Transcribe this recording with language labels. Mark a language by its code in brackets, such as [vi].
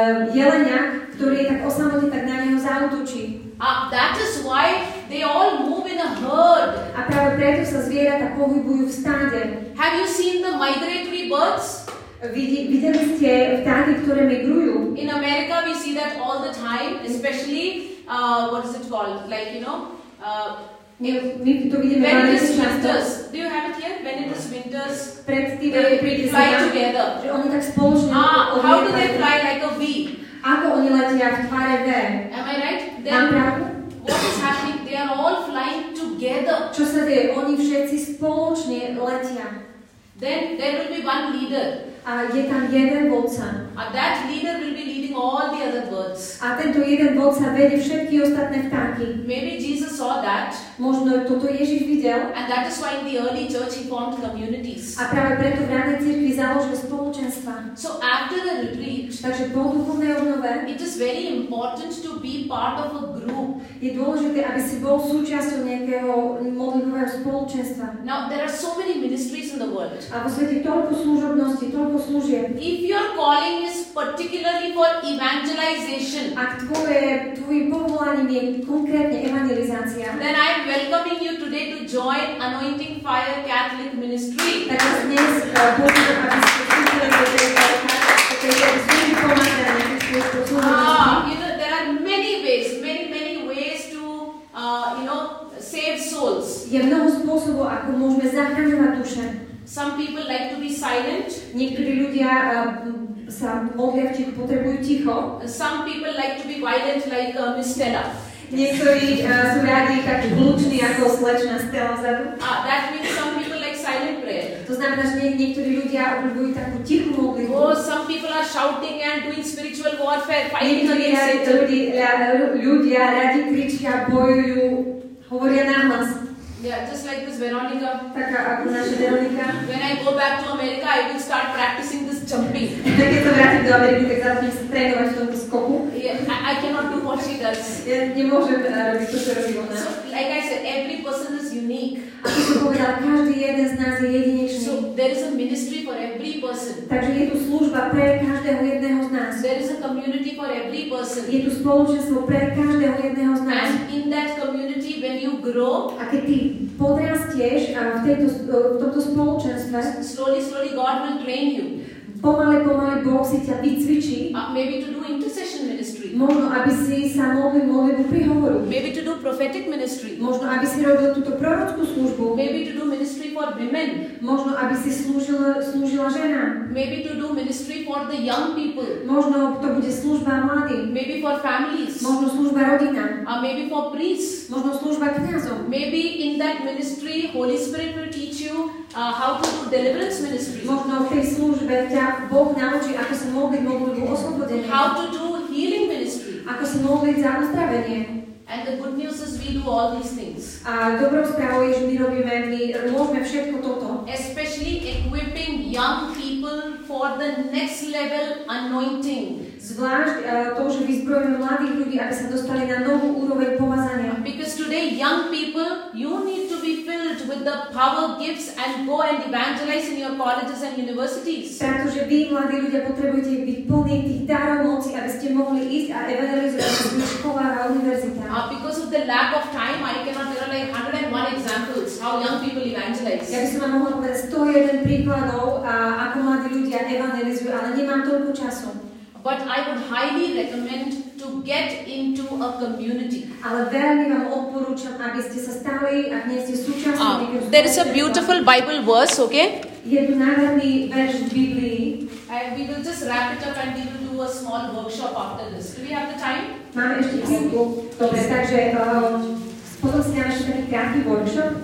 [sk] jelenia, ktorý je tak osamotný, tak na neho zaútočí. [en] That is why they all move in a herd. [sk] A práve preto sa zvieratá pohybujú v stáde. [en] Have you seen the migratory birds? [sk] Videli ste vtáky, ktoré migrujú? [en] In America we see that all the time, especially what is it called? Like, you know, when it is winters, do you have it here? When it is winters, they fly together. How do they fly like a V? [sk] Ako oni letia v tvare V? [en] Am I right? [sk] Mám pravdu? [en] What is happening? They are all flying together. [sk] Čo sa deje? Oni všetci spoločne letia. [en] Then there will be one leader. [sk] A je tam jeden vodca. [en] And that leader will be leading all the other birds. [sk] A tento jeden vodca vedie všetky ostatné vtáky. [en] Maybe Jesus saw that. [sk] Možno toto Ježiš videl. [en] And that is why in the early church he formed communities. [sk] A práve preto v ranej cirkvi založil spoločenstva. [en] So after the retreat, [sk] takže po duchovnej obnove, [en] it is very important to be part of a group. [sk] Je dôležité, aby si bol súčasťou nejakého modlitbového spoločenstva. [en] Now there are so many ministries in the world. [sk] A vo svete toľko služobností, toľko služieb. [en] If your calling is particularly for evangelization, [sk] ak tvoje povolanie je konkrétne evangelizácia, [en] then I am welcoming you today to join Anointing Fire Catholic Ministry. [sk] Tak vás dnes pozývam, aby ste pristúpili do [en] You know, there are many ways to save souls. [sk] Je mnoho spôsobov, ako môžeme zachraňovať duše. [en] Some people like to be silent. [sk] Niektorí ľudia sa modlia v tichu, potrebujú ticho. [en] Some people like to be violent like Miss Stella. [sk] Niektorí sú radi tak hlučný ako slečna Stella vzadu. [en] That means some people like silent prayer. [sk] To znamená, že niektorí ľudia obľúbujú takú tichú modlitbu. [en] Some people are shouting and doing spiritual warfare, fighting against Satan. [sk] Ľudia radi kričia, bojujú, hovoria nahlas. [en] Yeah, just like this Veronica. [sk] Taká ako naša Veronika. [en] When I go back to America, I will start practicing this jumping. [sk] Keď sa vrátim do Ameriky, tak začnem sa trénovať v tomto skoku. [en] Yeah, I cannot do what she does. [sk] Ja nemôžem robiť to, čo robí ona. [en] So, like I said, every person is unique. [sk] Ako som povedala, každý jeden z nás je jedinečný. [en] So, there is a ministry for every person. [sk] Takže je tu služba pre každého jedného z nás. [en] There is a community for every person. [sk] Je tu spoločenstvo pre každého jedného z nás. [en] And in that community, when you grow, [sk] a keď ty podrastieš v tomto spoločenstve, [en] slowly God will train you. [sk] Pomaly Boh si ťa vycvičí. [en] Maybe to do intercession ministry. [sk] Možno, aby si sa mohli modliť pri hovoru. [en] Maybe to do prophetic ministry. [sk] Možno, aby si robil túto prorockú službu. [en] Maybe to do ministry for women. [sk] Možno, aby si slúžila žena. [en] Maybe to do ministry for the young people. [sk] Možno, to bude služba mladým. [en] Maybe for families. [sk] Možno, služba rodinám. [en] Maybe for priests. [sk] Možno, služba kňazom. [en] Maybe in that ministry, Holy Spirit will teach you how to do deliverance ministry. [sk] Možno, v tej službe Boh naučí, ako sa modliť modlitbu oslobodenia. [en] How to do healing ministry. [sk] Ako sa modliť za uzdravenie. [en] And the good news is we do all these things. [sk] A dobrou správou je, že my môžeme všetko toto. [en] Especially equipping young people for the next level anointing. [sk] Zvlášť to, že vyzbrojujeme mladých ľudí, aby sa dostali na novú úroveň pomazania. [en] Because today young people, you need to be filled with the power gifts and go and evangelize in your colleges and universities. [sk] Pretože vy, mladí ľudia, potrebujete byť plní tých darov moci, aby ste mohli ísť a evangelizovať v školách a univerzitách. [en] Because of the lack of time, I cannot tell you like 101 examples how young people evangelize. [sk] Ja by som vám mohla povedať 101 príkladov, ako mladí ľudia evangelizujú, ale nemám toľko času. [en] But I would highly recommend to get into a community. [sk] Ale veľmi vám odporúčam, aby ste sa stali a hneď ste súčasťou. [en] There is a beautiful Bible verse, okay? [sk] Je tu nádherný verš v Biblii. [en] We will just wrap it up and we will do a small workshop after this. Do we have the time? [sk] Máme ešte chvíľku. Dobre, takže potom si dáme ešte krátky workshop.